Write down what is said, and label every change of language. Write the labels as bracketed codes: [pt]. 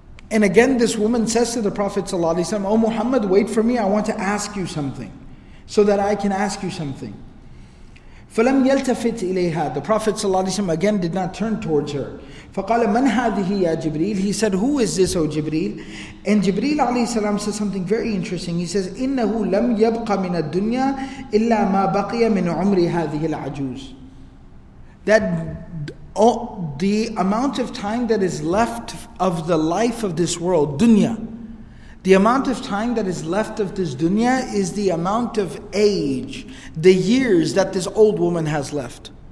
[en] And again, this woman says to the Prophet sallallahu alaihi wasallam, "Oh Muhammad, wait for me. I want to ask you something, so that I can ask you something." [ar] فَلَمْ يَلْتَفِتْ إِلَيْهَا. [en] The Prophet sallallahu alaihi wasallam again did not turn towards her. [ar] فَقَالَ مَنْ هَذِهِ يَا جِبْرِيلُ. [en] He said, "Who is this, O Jibreel?" And Jibreel alaihi salam says something very interesting. He says, [ar] "إِنَّهُ لَمْ يَبْقَ مِنَ الدُّنْيَا إِلَّا مَا بَقِيَ مِنْ عُمْرِ هَذِهِ الْعَجُوزِ." [en] That the amount of time that is left of the life of this world, dunya, the amount of time that is left of this dunya is the amount of age, the years that this old woman has left.